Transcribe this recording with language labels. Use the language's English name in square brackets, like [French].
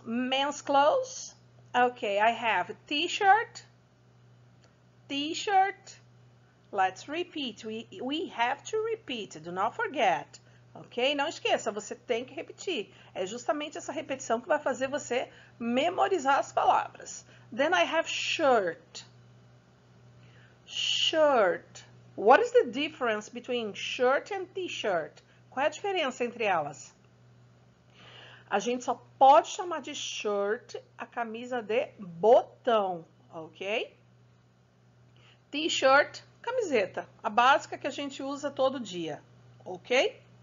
[English] Men's clothes. Ok, I have t-shirt. T-shirt. Let's repeat. We have to repeat. Do not forget. Ok? [Portuguese] Não esqueça, você tem que repetir. É justamente essa repetição que vai fazer você memorizar as palavras. [English] Then I have shirt. Shirt. What is the difference between shirt and t-shirt? [Portuguese] Qual é a diferença entre elas? A gente só pode chamar de shirt a camisa de botão, ok? T-shirt, camiseta. A básica que a gente usa todo dia, ok?